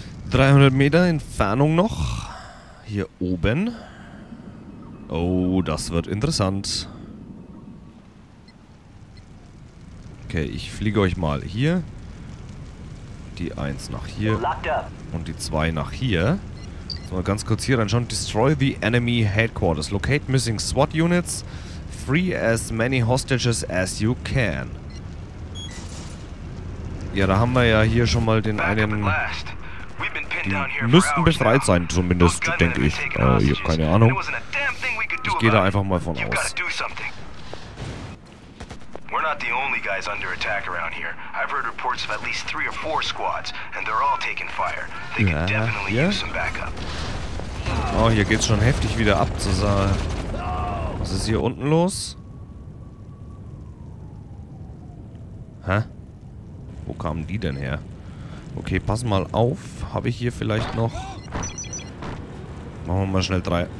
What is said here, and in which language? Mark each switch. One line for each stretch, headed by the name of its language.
German: 300 Meter Entfernung noch. Hier oben. Oh, das wird interessant. Okay, ich fliege euch mal hier. Die 1 nach hier. Und die 2 nach hier. So, ganz kurz hier reinschauen.
English: Destroy the enemy headquarters. Locate missing SWAT units. Free as many hostages as you can.
German: Ja, da haben wir ja hier schon mal den einen... Die müssten befreit sein, zumindest, denke ich. Ich habe keine Ahnung. Ich gehe da einfach mal von aus.
English: We're not the only guys under attack around here. I've heard reports of at least 3 or 4 squads, and they're all taking fire. They could definitely use some backup.
German: Oh, hier geht's schon heftig wieder ab. Was ist hier unten los? Hä? Wo kamen die denn her? Okay, pass mal auf. Habe ich hier vielleicht noch... Machen wir mal schnell 3...